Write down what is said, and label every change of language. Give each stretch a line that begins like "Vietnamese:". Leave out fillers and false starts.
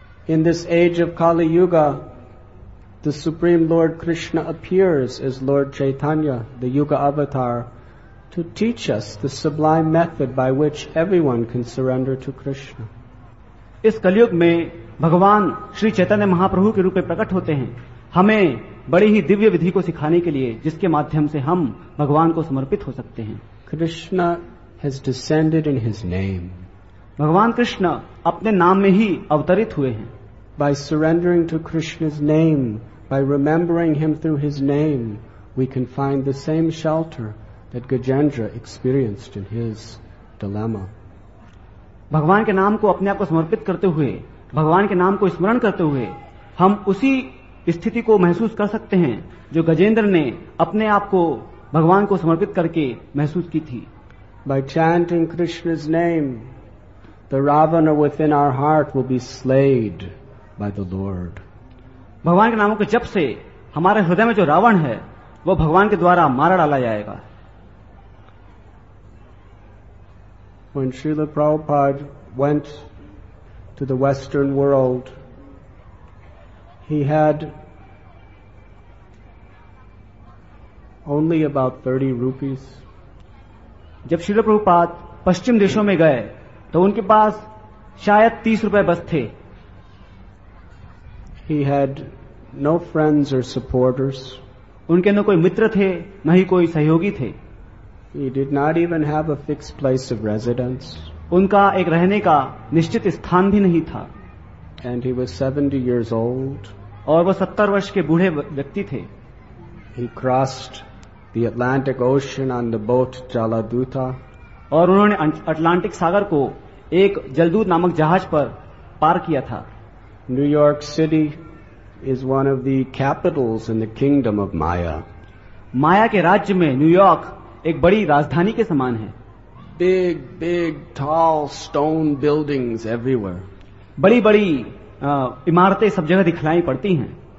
English: In this age of Kali yuga the supreme lord Krishna appears as lord Chaitanya the yuga avatar to teach us the sublime method by which everyone can surrender to Krishna.
Hindi: इस कलयुग में भगवान श्री चैतन्य महाप्रभु के रूप में प्रकट होते हैं हमें बड़ी ही दिव्य विधि को सिखाने के लिए जिसके माध्यम से हम भगवान को समर्पित हो सकते हैं.
English: Krishna has descended in his name.
Hindi: भगवान कृष्ण अपने नाम में ही अवतरित हुए हैं.
English: By surrendering to Krishna's name, by remembering him through his name, we can find the same shelter that Gajendra experienced in his dilemma.
Hindi: भगवान के नाम को अपने आप को समर्पित करते हुए, भगवान के नाम को स्मरण करते हुए हम उसी स्थिति को महसूस कर सकते हैं जो गजेंद्र ने अपने आप को भगवान को समर्पित करके महसूस की थी.
English: By chanting Krishna's name, the Ravana within our heart will be slayed by the Lord.
Hindi: भगवान के नामों के जप से हमारे हृदय में जो रावण है वो भगवान के द्वारा मारा डाला जाएगा.
English: When Srila Prabhupada went to the Western world, he had only about 30 rupees.
Hindi: जब Srila Prabhupada पश्चिम देशों में गए तो उनके पास शायद 30 रुपए बस थे.
English: He had no friends or supporters.
Hindi: उनके न कोई मित्र थे न ही कोई सहयोगी थे.
English: He did not even have a fixed place of residence.
Hindi: उनका एक रहने का निश्चित स्थान भी नहीं था.
English: And he was 70 years old.
Hindi: और वो 70 वर्ष के बूढ़े व्यक्ति थे.
English: He crossed the Atlantic Ocean on the boat Jaladuta.
Hindi: और उन्होंने अटलांटिक सागर को एक जलदूत नामक जहाज पर पार किया था.
English: New York City is one of the capitals in the kingdom of Maya.
Hindi: Maya ke rajya mein New York ek badi rajdhani ke saman hai.
English: Big, big, tall stone buildings everywhere.
Hindi: Badi badi imaratein sab jagah dikhlai padti hain.